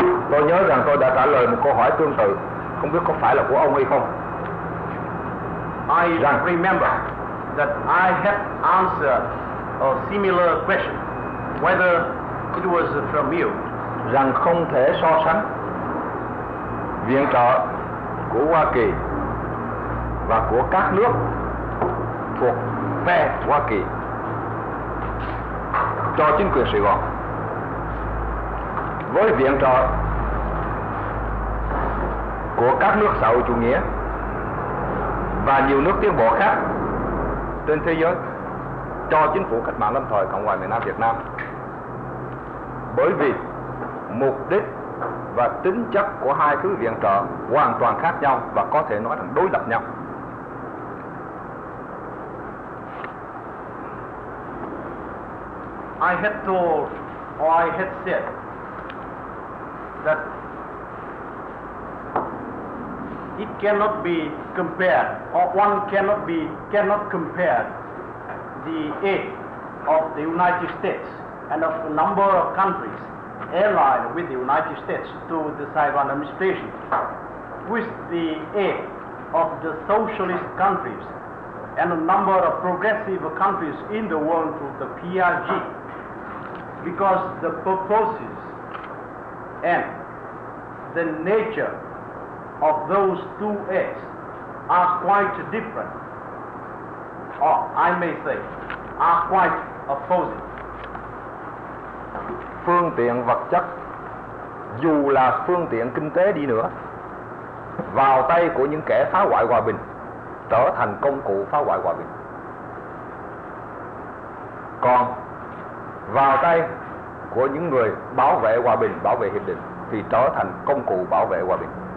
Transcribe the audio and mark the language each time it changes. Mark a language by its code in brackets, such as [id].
[vi] Tôi nhớ rằng tôi đã trả lời một câu hỏi tương tự, không biết có phải là của ông hay không. [en] I remember that I had answered a similar question, whether it was from you. [vi] Rằng không thể so sánh viện trợ của Hoa Kỳ và của các nước thuộc phe Hoa Kỳ cho chính quyền Sài Gòn với viện trợ của các nước xã hội chủ nghĩa và nhiều nước tiến bộ khác trên thế giới cho chính phủ cách mạng lâm thời Cộng hòa miền Nam Việt Nam, bởi vì mục đích và tính chất của hai thứ viện trợ hoàn toàn khác nhau và có thể nói là đối lập nhau. [en] I had told, or I had said, that it cannot be compared, or one cannot compare the aid of the United States and of a number of countries allied with the United States to the Saigon administration with the aid of the socialist countries and a number of progressive countries in the world through the PRG. Because the purposes and the nature of those two acts are quite different, or I may say, are quite opposing. [vi] phương tiện vật chất, dù là phương tiện kinh tế đi nữa, vào tay của những kẻ phá hoại hòa bình, trở thành công cụ phá hoại hòa bình. Còn vào tay của những người bảo vệ hòa bình, bảo vệ hiệp định, thì trở thành công cụ bảo vệ hòa bình.